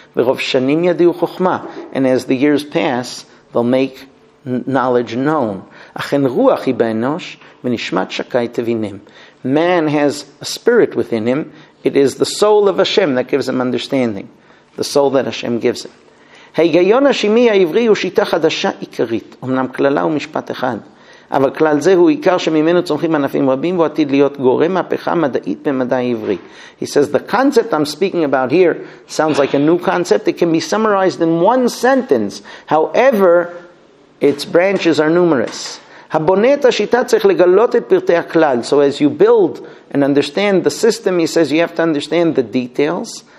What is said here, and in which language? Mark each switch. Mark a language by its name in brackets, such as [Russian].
[Hebrew] V'rov shanim yadiu chochma. [English] And as the years pass, they'll make knowledge known. [Hebrew] Achen ruach hi ba'enosh, v'nishmat shakai tevinim. [English] Man has a spirit within him. It is the soul of Hashem that gives him understanding. The soul that Hashem gives him. [Hebrew] ההיגיון השימי העברי הוא שיטה חדשה עיקרית, אמנם כללה ומשפט אחד, אבל כלל זה הוא עיקר שממנו צומחים ענפים רבים והוא עתיד להיות גורם מהפכה מדעית במדע העברי. [English] He says, the concept I'm speaking about here sounds like a new concept. It can be summarized in one sentence. However, its branches are numerous. [Hebrew] הבונה את השיטה צריך לגלות את פרטי הכלל. [English] So as you build and understand the system, he says, you have to understand the details